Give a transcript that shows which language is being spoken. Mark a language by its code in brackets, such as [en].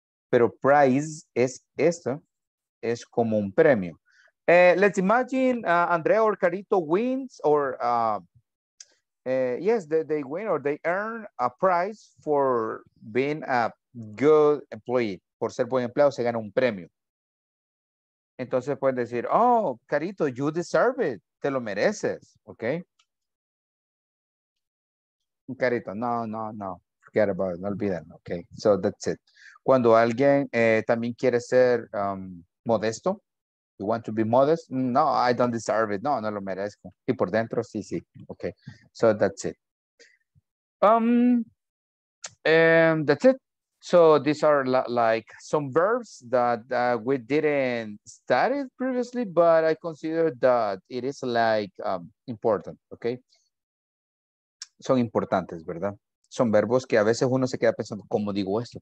[es] Pero price es esto, es como un premio. [en] Let's imagine Andrea or Carito wins, or yes, they win or they earn a prize for being a good employee. [es] Por ser buen empleado, se gana un premio. Entonces pueden decir, oh, Carito, [en] you deserve it. [es] Te lo mereces, ¿ok? [en] carito. No, no, no. Forget about it. [es] No olviden. [en] Okay. So that's it. [es] Cuando alguien también quiere ser modesto. [en] You want to be modest? No, I don't deserve it. [es] No, no lo merezco. Y por dentro, sí, sí. [en] Okay. So that's it. That's it. So these are like some verbs that we didn't study previously, but I consider that it is like important, okay? [es] Son importantes, ¿verdad? Son verbos que a veces uno se queda pensando, ¿cómo digo esto?